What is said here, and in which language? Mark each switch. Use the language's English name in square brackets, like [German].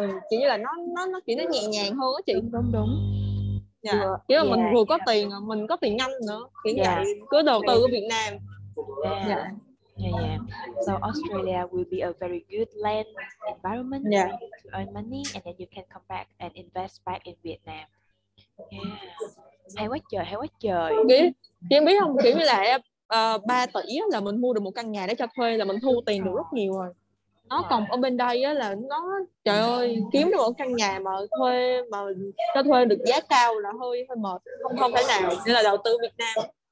[Vietnamese] Chỉ là nó kiểu nó nhẹ nhàng hơn á chị. Đúng. [English] Yeah. [Vietnamese] Kiểu là mình vừa có tiền, mình có tiền nhanh nữa. Kiểu vậy. Cứ đầu tư ở Việt Nam. [English] Yeah. So Australia will be a very good land environment to earn money, and then you can come back and invest back in Vietnam. [Vietnamese] Yeah. Hay quá trời. Chị biết không, kiểu như là 3 tỷ là mình mua được một căn nhà để cho thuê, là mình thu tiền được rất nhiều rồi. Nó còn ở bên đây là nó, trời ơi, kiếm được một căn nhà mà cho thuê được giá cao là hơi mệt. Không thể nào, nên là đầu tư Việt Nam.